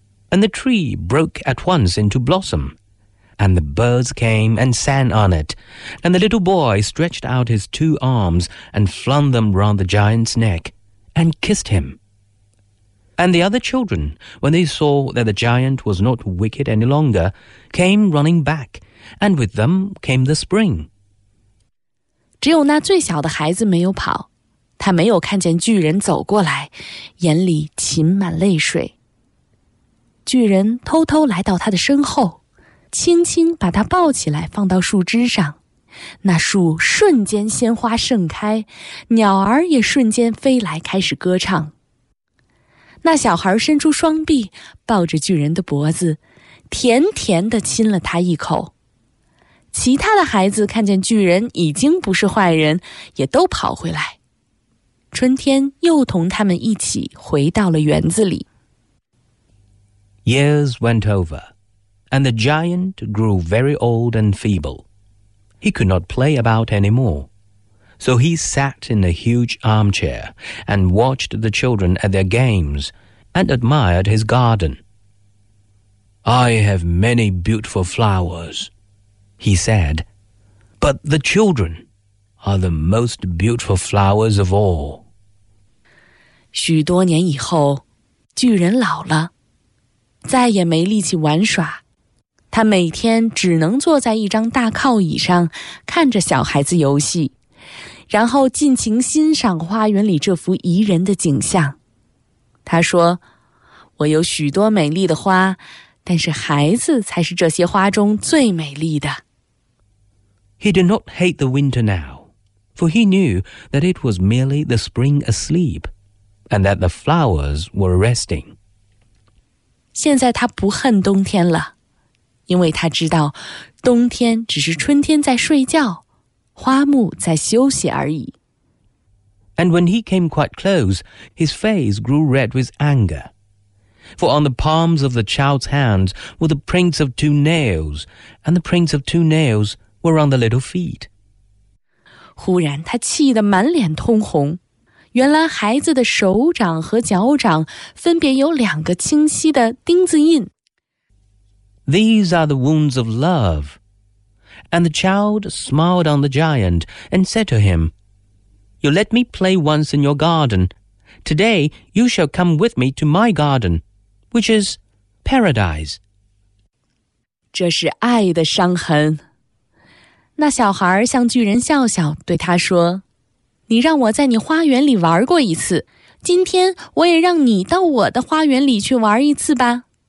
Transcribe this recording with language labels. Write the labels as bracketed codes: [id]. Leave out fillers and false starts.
[en] And the tree broke at once into blossom, and the birds came and sang on it, and the little boy stretched out his two arms and flung them round the giant's neck and kissed him. And the other children, when they saw that the giant was not wicked any longer, came running back, and with them came the spring. [zh] 只有那最小的孩子没有跑，他没有看见巨人走过来，眼里噙满泪水。巨人偷偷来到他的身后，轻轻把他抱起来放到树枝上，那树瞬间鲜花盛开，鸟儿也瞬间飞来开始歌唱。那小孩伸出双臂，抱着巨人的脖子，甜甜地亲了他一口。其他的孩子看见巨人已经不是坏人，也都跑回来。春天又同他们一起回到了园子里。 [en] Years went over, and the giant grew very old and feeble. He could not play about anymore. So he sat in a huge armchair and watched the children at their games and admired his garden. "I have many beautiful flowers," he said, "but the children are the most beautiful flowers of all." [zh] 许多年以后，巨人老了，再也没力气玩耍，他每天只能坐在一张大靠椅上，看着小孩子游戏，然后尽情欣赏花园里这幅宜人的景象。他说，我有许多美丽的花，但是孩子才是这些花中最美丽的。 [en] He did not hate the winter now, for he knew that it was merely the spring asleep, and that the flowers were resting. [zh] 现在他不恨冬天了，因为他知道冬天只是春天在睡觉，花木在休息而已。 [en] And when he came quite close, his face grew red with anger. For on the palms of the child's hands were the prints of two nails, and the prints of two nails were on the little feet. [zh] 忽然他气得满脸通红，原来孩子的手掌和脚掌分别有两个清晰的钉子印。 [en] These are the wounds of love. And the child smiled on the giant and said to him, You let me play once in your garden. Today you shall come with me to my garden, which is paradise. [zh] 这是爱的伤痕。那小孩向巨人笑笑对他说，你让我在你花园里玩过一次，今天我也让你到我的花园里去玩一次吧。